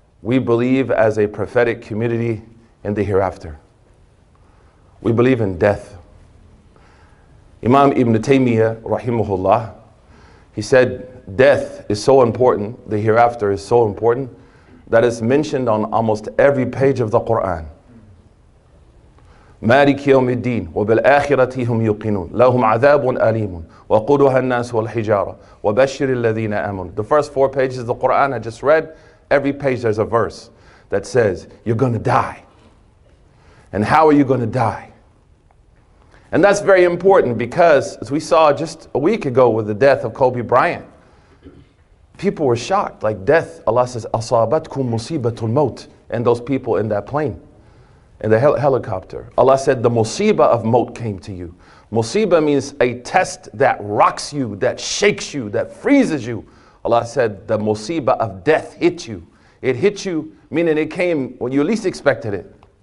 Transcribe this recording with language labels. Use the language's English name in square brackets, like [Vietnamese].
[English] We believe as a prophetic community in the hereafter. We believe in death. Imam Ibn Taymiyyah, rahimahullah, he said, death is so important, the hereafter is so important, that it's mentioned on almost every page of the Quran. [Arabic] مالك يوم الدين وبالآخرة هم يقينون لهم عذاب أليم وقودها الناس والحجارة وبشر الذين آمنوا. [English] The first four pages of the Quran I just read, every page there's a verse that says, you're going to die. And how are you going to die? And that's very important because, as we saw just a week ago with the death of Kobe Bryant, people were shocked. Like death, Allah says, [Arabic] أصابتكم مصيبة الموت. [English] And those people in that plane, in the helicopter, Allah said, the musibah of maut came to you. Musibah means a test that rocks you, that shakes you, that freezes you. Allah said, the musibah of death hit you. It hit you, meaning it came when you least expected it.